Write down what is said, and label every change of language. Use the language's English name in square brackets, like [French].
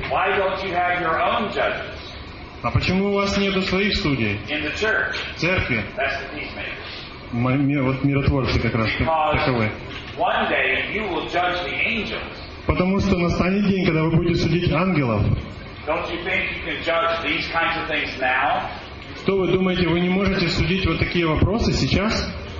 [English] why don't you have your own judges? [Russian] А почему у вас нету своих судей [English] in the church? [Russian] В церкви? [English] That's the peacemakers. [Russian] Вот миротворцы как раз таковы. [English] One day you will judge the angels. [Russian] Потому что настанет день, когда вы будете судить ангелов. [English] Don't you think you can judge these kinds of things now? [Russian] Что вы думаете, вы не можете судить вот такие вопросы сейчас?